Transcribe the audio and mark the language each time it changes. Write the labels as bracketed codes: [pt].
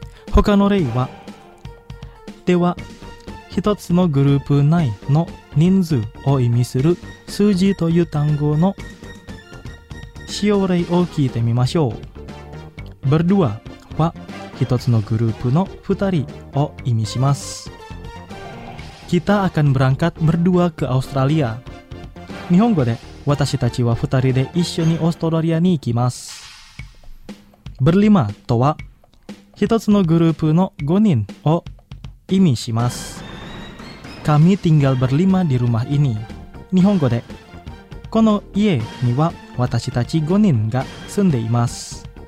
[ja] 他の例は、では1つのグループ内の人数を意味する数字という単語の使用例を聞いてみましょう。 Berdua は一つのグループの二人を意味します。 [id] Kita akan berangkat berdua ke Australia. [ja] 日本語で、私たちは二人で一緒にオーストラリアに行きます。 Berlima とは、一つのグループの五人を意味します。 [id] Kami tinggal berlima di rumah ini. [ja] 日本語で、この家には私たち五人が住んでいます。